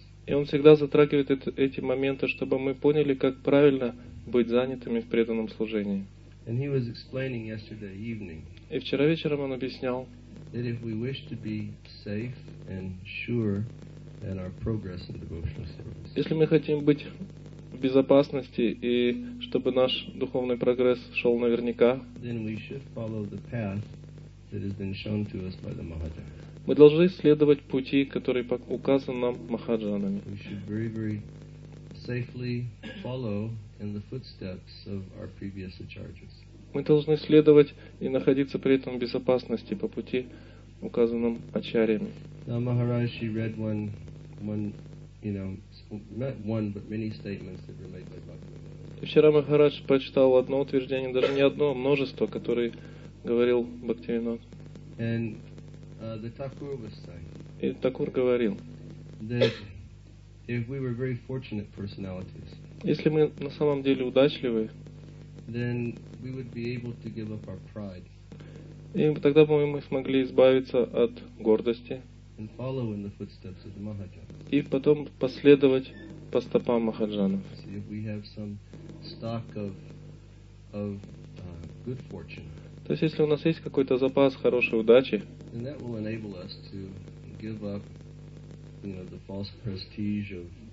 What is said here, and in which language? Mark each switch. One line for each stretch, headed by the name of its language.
Russian: И он всегда затрагивает эти моменты, чтобы мы поняли, как правильно быть занятыми в преданном служении.
English: And he was explaining yesterday evening,
Russian: и вчера вечером он объяснял,
English: that if we wish to be safe and sure in our progress in devotional service,
Russian: если мы хотим быть в безопасности и чтобы наш духовный прогресс шел наверняка,
English: then we should follow the path that has been shown to us by the Mahajan.
Russian: Мы должны следовать пути, который указан нам Махаджанами.
English: We should very, very safely follow in the footsteps of our previous acharyas.
Russian: Мы должны следовать и находиться при этом в безопасности по пути, указанным ачарьями.
English: Now Maharishi read one, but many statements that relate to Bhaktivinoda.
Russian: Вчера Махарадж прочитал одно утверждение, даже не одно, а множество, которые говорил Бхактивинод.
English: And the Thakur was saying.
Russian: И Такур говорил.
English: That if we were very fortunate personalities.
Russian: Если мы на самом деле удачливые.
English: Then we would be able to give up our pride.
Russian: И тогда бы мы смогли избавиться от гордости.
English: And follow in the footsteps of the Mahajan.
Russian: И потом последовать по стопам Махаджанов.
English: See, if we have some stock of good fortune.
Russian: То есть если у нас есть какой-то запас хорошей удачи.
English: And that will enable us to give up, you know, the false prestige of.